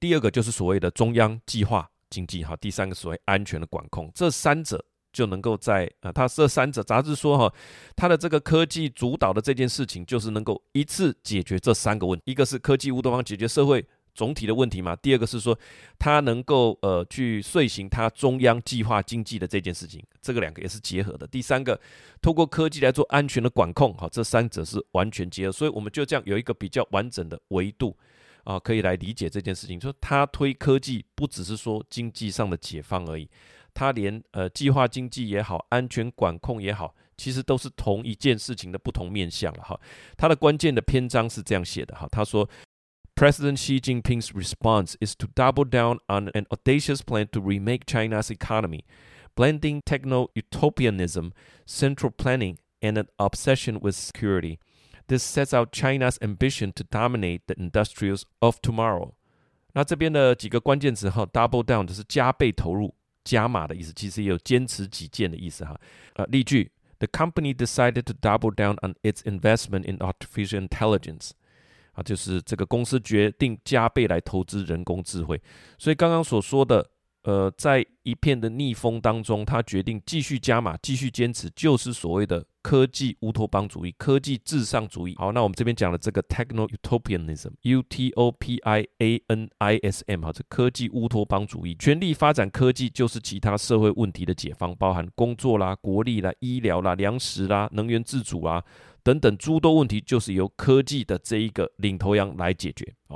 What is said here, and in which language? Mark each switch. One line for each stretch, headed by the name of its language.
Chinese: 第二个就是所谓的中央计划经济，第三个所谓安全的管控，这三者就能够在它这三者杂志说它的这个科技主导的这件事情就是能够一次解决这三个问题。一个是科技乌托邦解决社会总体的问题嘛，第二个是说它能够去遂行它中央计划经济的这件事情，这个两个也是结合的。第三个透过科技来做安全的管控，这三者是完全结合，所以我们就这样有一个比较完整的维度可以来理解这件事情，说它推科技不只是说经济上的解放而已，它连计划经济也好，安全管控也好，其实都是同一件事情的不同面向了。它的关键的篇章是这样写的，他说
English: President Xi Jinping's response is to double down on an audacious plan to remake China's economy, blending techno-utopianism, central planning, and an obsession with security. This sets out China's ambition to dominate the industries of tomorrow.
Chinese: 那这边的几个关键词 ,double down 就是加倍投入，加码的意思，其实也有坚持己见的意思。例句
English: ,The company decided to double down on its investment in artificial intelligence.
Chinese: 就是这个公司决定加倍来投资人工智慧，所以刚刚所说的在一片的逆风当中，他决定继续加码继续坚持，就是所谓的科技乌托邦主义，科技至上主义。好，那我们这边讲的这个 Techno-Utopianism U-T-O-P-I-A-N-I-S-M 这科技乌托邦主义，全力发展科技就是其他社会问题的解放，包含工作啦、国力啦、医疗啦、粮食啦、能源自主啦等等诸多问题，就是由科技的这一个领头羊来解决。